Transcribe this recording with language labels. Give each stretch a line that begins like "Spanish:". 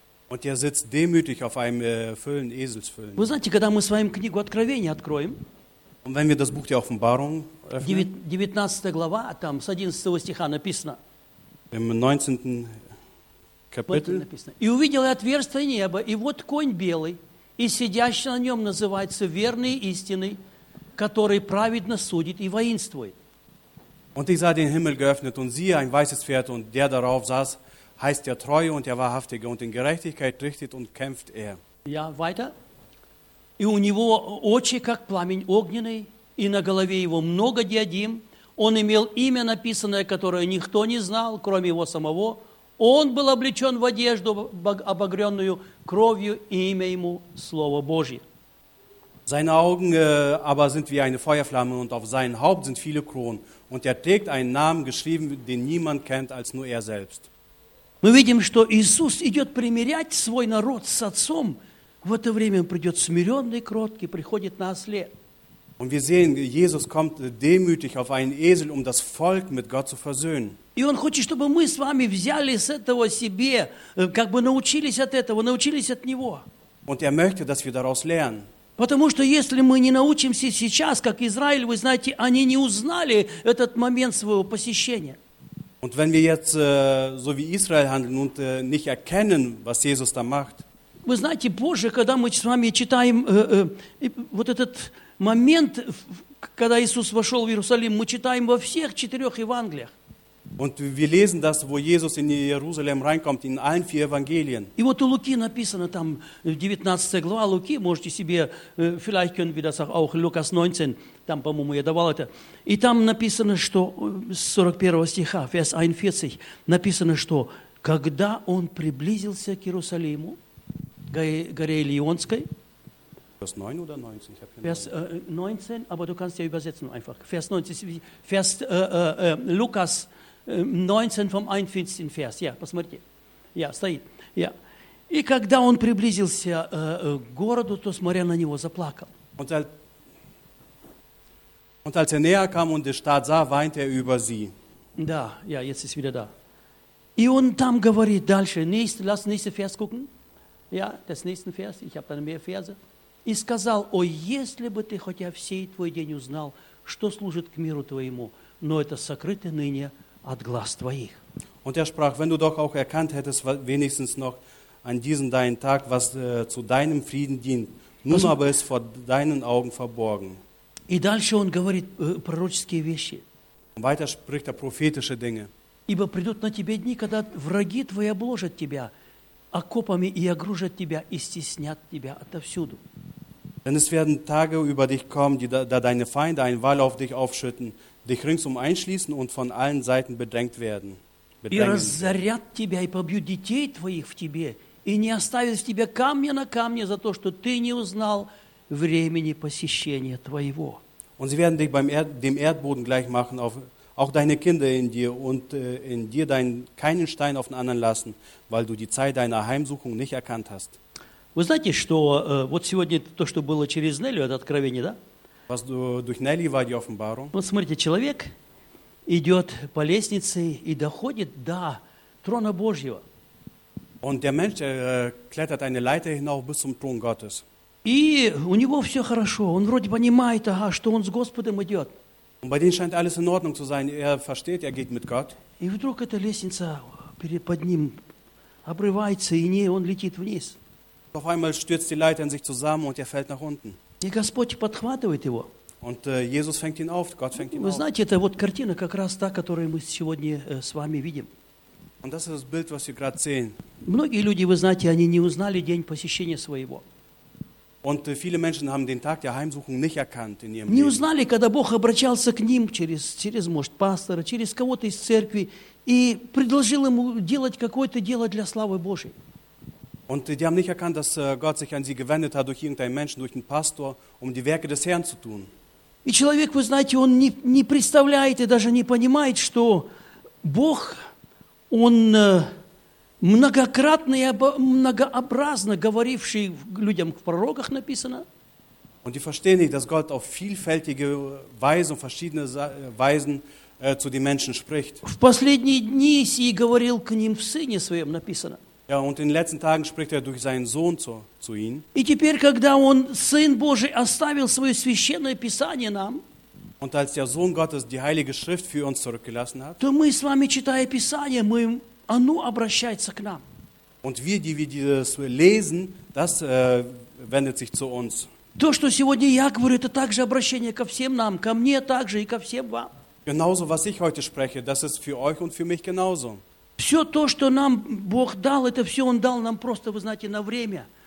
German: Und er sitzt demütig auf einem Füllen, Eselsfüllen.
Russian: Вы знаете, когда мы с вами книгу Откровения откроем,
German: und wenn wir das Buch der Offenbarung öffnen, 19.
Russian: глава, там с 11 стиха написано,
German: im 19. Kapitel,
Russian: вот написано, и увидел я отверстие неба, и вот конь белый, и сидящий на нем называется верный истинный, который праведно судит и воинствует.
German: Und ich sah den Himmel geöffnet, und siehe, ein weißes Pferd, und der darauf saß, heißt der Treue und der Wahrhaftige, und in Gerechtigkeit richtet und kämpft er. Ja, weiter.
Russian: И у него очи, как пламень огненный, и на голове его много диадим. Он имел имя написанное, которое никто не знал, кроме его самого. Он был облечен в одежду, обогренную кровью, и имя ему – Слово Божье.
German: Seine Augen aber sind wie eine Feuerflamme, und auf seinem Haupt sind viele Kronen. Und er trägt einen Namen, geschrieben, den niemand kennt, als nur er selbst.
Russian: Мы видим, что Иисус идет примирять свой народ с Отцом. В это время он придет смиренный, кроткий, приходит на осле.
German: Und wir sehen, Jesus kommt demütig auf einen Esel, um das Volk mit Gott zu versöhnen.
Russian: И он хочет, чтобы мы с вами взяли с этого себе, как бы научились от этого, научились от него.
German: Und er möchte, dass wir daraus lernen.
Russian: Потому что если мы не научимся сейчас, как Израиль, вы знаете, они не узнали этот момент своего посещения.
German: Und wenn wir jetzt so wie Israel handeln und nicht erkennen, was Jesus da macht.
Russian: Вы знаете, позже, когда мы с вами читаем вот этот момент, когда Иисус вошел в Иерусалим, мы читаем во всех четырех Евангелиях.
German: Und wir lesen das, wo Jesus in Jerusalem reinkommt, in allen vier Evangelien.
Russian: И вот у Луки написано там, 19 глава Луки, можете себе,
German: vielleicht können wir das auch,
Russian: Lukas 19, там, по-моему, я давал это. И там написано, что, 41 стиха,
German: Vers 41,
Russian: написано, что, когда он приблизился к Иерусалиму, горе Елеонской.
German: Vers 9 oder 19? Ich hab Vers 19, aber du kannst ja übersetzen einfach. Vers 19, Vers, Lukas 19 vom 41. Vers.
Russian: Ja, посмотрите. Ja, стоит. Ja. И когда он приблизился к городу, то смотря на него, заплакал.
German: Und als er näher kam und die Stadt sah, weinte er über sie. Da, ja, jetzt ist wieder da.
Russian: И он там говорит дальше,
German: lass nächste Vers gucken. Ja, des nächsten Vers, ich habe dann mehr Verse.
Russian: И сказал, о, если бы ты хотя всей твой день узнал, что служит к миру твоему, но это сокрыто ныне от глаз твоих.
German: Und er sprach, wenn du doch auch erkannt hättest, wenigstens noch an diesem deinen Tag, was zu deinem Frieden dient, nun aber ist vor deinen Augen verborgen.
Russian: И дальше он говорит пророческие вещи.
German: Und weiter spricht er prophetische Dinge.
Russian: Ибо придут на тебе дни, когда враги твои обложат тебя, окопами и окружат тебя, и стеснят тебя отовсюду.
German: Denn es werden Tage über dich kommen, die da deine Feinde einen Wall auf dich aufschütten, dich ringsum einschließen und von allen Seiten bedrängt werden.
Russian: И разорят тебя, и побьют детей твоих в тебе, и не оставят в тебе камня на камне за то, что ты не узнал времени посещения твоего.
German: Und sie werden dich beim dem Erdboden gleich machen, auch deine Kinder in dir und in dir keinen Stein auf den anderen lassen, weil du die Zeit deiner Heimsuchung nicht erkannt hast.
Russian: Вы знаете, что вот сегодня то, что было через Нелли, это откровение, да?
German: Was durch Nelly war die Offenbarung?
Russian: Вот смотрите, человек идет по лестнице и доходит до трона Божьего.
German: Und der Mensch klettert eine Leiter hinauf bis zum Thron Gottes.
Russian: И у него все хорошо, он вроде понимает, ага, что он с Господом идет.
German: Und bei denen scheint alles in Ordnung zu sein. Er versteht, er geht mit Gott.
Russian: И вдруг эта лестница под ним обрывается, и не, он летит вниз.
German: Auf einmal stürzt die Leiter in sich zusammen und er fällt nach unten.
Russian: И Господь подхватывает его.
German: Und Jesus fängt ihn auf, Gott fängt ihn auf.
Russian: Вы знаете, это вот картина как раз та, которую мы сегодня с вами видим.
German: Und das ist das Bild, was wir gerade sehen.
Russian: Многие люди, вы знаете, они не узнали день посещения своего.
German: Und viele Menschen haben den Tag der Heimsuchung nicht erkannt in ihrem Leben.
Russian: Не узнали, когда Бог обращался к ним через может, пастора, через кого-то из церкви и предложил ему делать какое-то дело для славы Божьей.
German: Und die haben nicht erkannt, dass Gott sich an sie gewendet hat durch irgendeinen Menschen, durch einen Pastor, um die Werke des Herrn zu tun.
Russian: И человек, вы знаете, он не представляет и даже не понимает, что Бог, он многократно и многообразно говоривший людям в пророках написано.
German: Und die verstehen nicht, dass Gott auf vielfältige Weise und verschiedene Weisen zu den Menschen spricht.
Russian: В последние дни сии говорил к ним в Сыне Своем написано.
German: Ja, und in den letzten Tagen spricht er durch seinen Sohn zu ihnen.
Russian: И теперь, когда он, Сын Божий, оставил свое священное Писание нам,
German: und als der Sohn Gottes die Heilige Schrift für uns zurückgelassen hat,
Russian: то мы с вами, читая Писание, мы, оно обращается к нам.
German: Und wir das lesen, das wendet sich zu uns.
Russian: То, что сегодня я говорю, это также обращение ко всем нам, ко мне также и ко всем вам.
German: Genauso, was ich heute spreche, das ist für euch und für mich genauso.
Russian: Все то, что нам Бог дал, это все Он дал нам просто, вы знаете, на время.